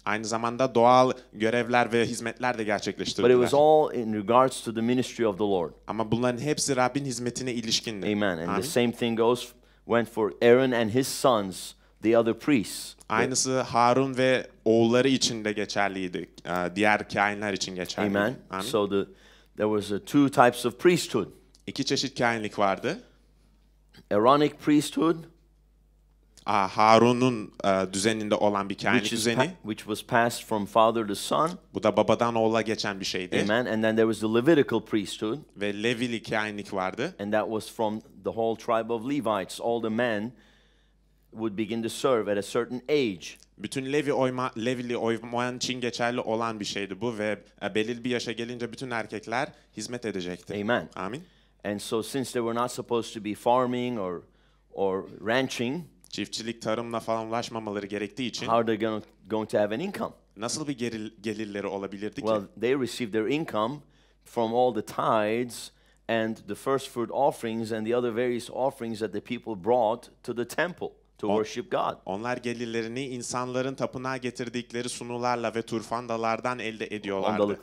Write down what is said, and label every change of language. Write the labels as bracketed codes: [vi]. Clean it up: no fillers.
[tr] Aynı zamanda doğal görevler ve hizmetler de gerçekleştirdiler. [en] But it was all in regards to the ministry of the Lord. [tr] Ama bunların hepsi Rabbin hizmetine ilişkindi. [en] Amen. And Amin. The same thing went for Aaron and his sons, the other priests. [tr] Aynısı Harun ve oğulları için de geçerliydi. Diğer kâhinler için geçerliydi. [en] Amen. Amin. So there was two types of priesthood. [tr] İki çeşit kâhinlik vardı. [en] Aaronic priesthood. [tr] Harun'un düzeninde olan bir kâhinlik düzeni. [en] Which was passed from father to son. [tr] Bu da babadan oğula geçen bir şeydi. [en] Amen. And then there was the Levitical priesthood. [tr] Ve Levili kâhinlik vardı. [en] And that was from the whole tribe of Levites. All the men would begin to serve at a certain age. [tr] Bütün Levili oyman için geçerli olan bir şeydi bu ve belirli bir yaşa gelince bütün erkekler hizmet edecekti. [en] Amen. [tr] Amin. [en] And so since they were not supposed to be farming or ranching, [tr] çiftçilik tarımla falan ulaşmamaları gerektiği için, [en] how are they going to have an income? [tr] Nasıl bir gelirleri olabilirdi ki? [en] Well, they received their income from all the tithes and the first fruit offerings and the other various offerings that the people brought to the temple to worship God. [tr] Onlar gelirlerini insanların tapınağa getirdikleri sunularla ve turfandalardan elde ediyorlardı.